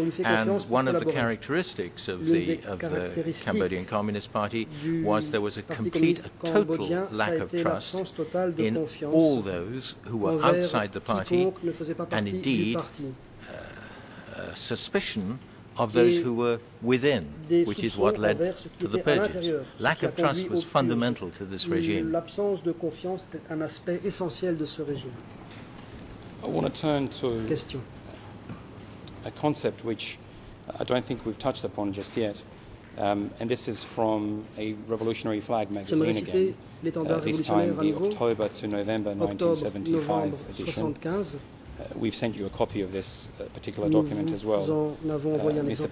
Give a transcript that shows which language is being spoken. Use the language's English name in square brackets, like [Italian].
[English] And one of the characteristics of the Cambodian Communist Party was there was a complete, a total lack of trust in all those who were outside the party, and indeed suspicion of those who were within, which is what led to the purges. Lack of trust was fundamental to this regime. [French] L'absence de confiance est un aspect essentiel de ce régime. [English] I want to turn to [French] question. [English] A concept which I don't think we've touched upon just yet, and this is from a Revolutionary Flag magazine again, this time the October to November 1975 edition. We've sent you a copy of this particular document as well. Mr.